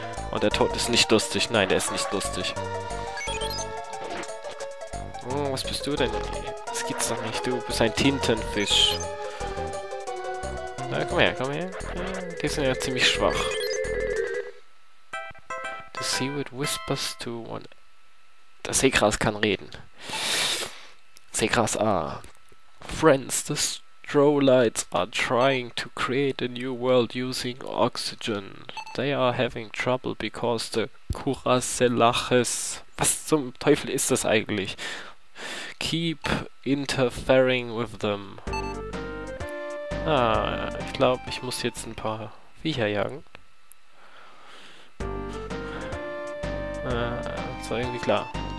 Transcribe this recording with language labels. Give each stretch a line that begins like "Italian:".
German: Und der Tod ist nicht lustig. Nein, der ist nicht lustig. Oh, was bist du denn? Das gibt's doch nicht. Du bist ein Tintenfisch. Na, komm her, komm her. Die sind ja ziemlich schwach.
English: The Seaweed whispers to one.
German: Das Seegras kann reden.
English: Seegras A. Friends, the Strolites are trying to create a new world using oxygen. They are having trouble because the Kuraselaches.
German: Was zum Teufel ist das eigentlich?
English: Keep interfering with them.
German: Ah, ich glaube, ich muss jetzt ein paar Viecher jagen. Das war irgendwie klar.